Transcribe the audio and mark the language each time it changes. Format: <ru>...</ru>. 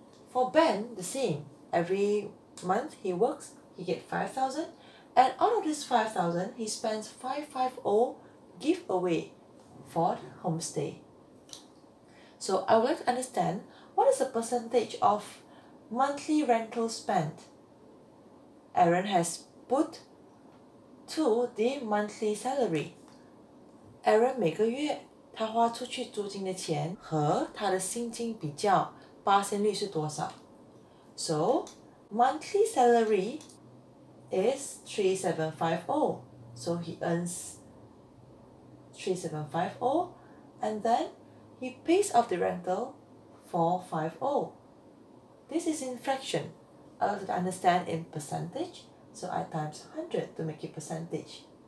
<en>For Ben, the same. Every month he works, he gets 5,000, and out of this 5,000, he spends 550 giveaway for the homestay. So I would like to understand, what is the percentage of monthly rental spent Aaron has put to the monthly salary?</en> <zh>Aaron 每个月他花出去租金的钱和他的薪金比较，八仙率是多少？</zh> <en>So monthly salary is 3750, so he earns 3750, and then he pays off the rental 450. This is in fraction. I want to understand in percentage, so I times 100 to make it percentage.</en>